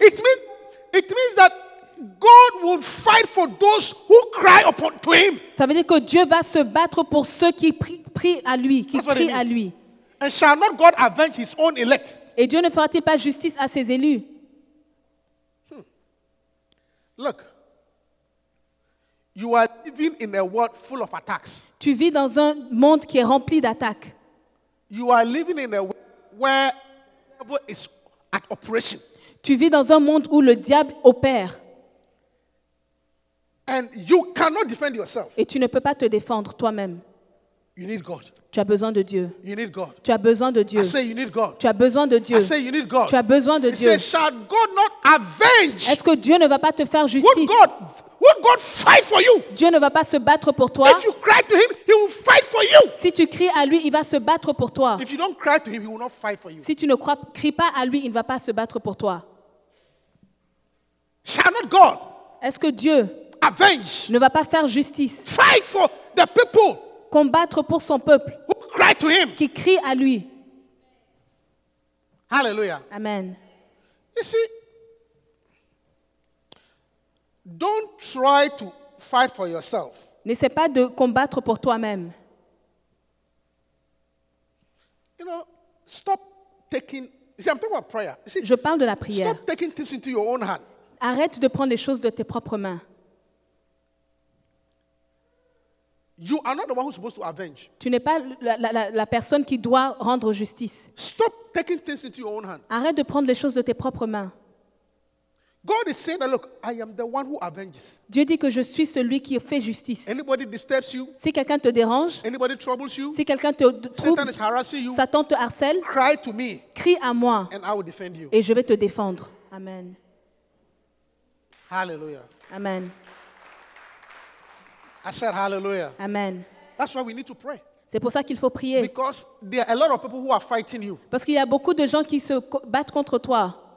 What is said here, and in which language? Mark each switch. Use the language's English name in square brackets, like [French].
[English] It means that God will fight for those who cry upon to him. [French] Ça veut dire que Dieu va se battre pour ceux qui prient à lui, qui crient à lui. [English] And shall not God avenge his own elect? [French] Et Dieu ne fera-t-il pas justice à ses élus? [English] Look. You are living in a world full of attacks. [French] Tu vis dans un monde qui est rempli d'attaques. [English] You are living in a world where the devil is at operation. [French] Tu vis dans un monde où le diable opère. [English] And you cannot defend yourself. [French] Et tu ne peux pas te défendre toi-même. [English] You need God. [French] Tu as besoin de Dieu. [English] You need God. [French] Tu as besoin de Dieu. [English] I say you need God. [French] Tu as besoin de Dieu. [English] I say you need God. [French] Tu as besoin de Dieu. [English] I say, shall God not avenge? [French] Est-ce que Dieu ne va pas te faire justice? [English] Would God fight for you? [French] Dieu ne va pas se battre pour toi. [English] If you cry to him, he will fight for you. [French] Si tu cries à lui, il va se battre pour toi. [English] If you don't cry to him, he will not fight for you. [French] Si tu ne cries pas à lui, il ne va pas se battre pour toi. [English] Shall not God? [French] Est-ce que Dieu [English] avenge. [French] Ne va pas faire justice. [English] Fight for the people. [French] Combattre pour son peuple. [English] Who cry to him. [French] Qui crie à lui. [English] Hallelujah. Amen. You see, don't try to fight for yourself. [French] N'essaie pas de combattre pour toi-même. [English] You know, stop taking. You see, I'm talking about prayer. You see, [French] je parle de la prière. [English] Stop taking things into your own hand. [French] Arrête de prendre les choses de tes propres mains. [English] You are not the one who's supposed to avenge. [French] Tu n'es pas la personne qui doit rendre justice. [English] Stop taking things into your own hand. [French] Arrête de prendre les choses de tes propres mains. [English] God is saying that, look, I am the one who avenges. [French] Dieu dit que je suis celui qui fait justice. [English] Anybody disturbs you? [French] Si quelqu'un te dérange? [English] Anybody troubles you? [French] Si quelqu'un te trouble? [English] Satan is harassing you? [French] Satan te harcèle? [English] Cry to me. [French] Crie à moi. [English] And I will defend you. [French] Et je vais te défendre. Amen. [English] Hallelujah. Amen. I said hallelujah. Amen. That's why we need to pray. [French] C'est pour ça qu'il faut prier. [English] Because there are a lot of people who are fighting you. [French] Parce qu'il y a beaucoup de gens qui se battent contre toi.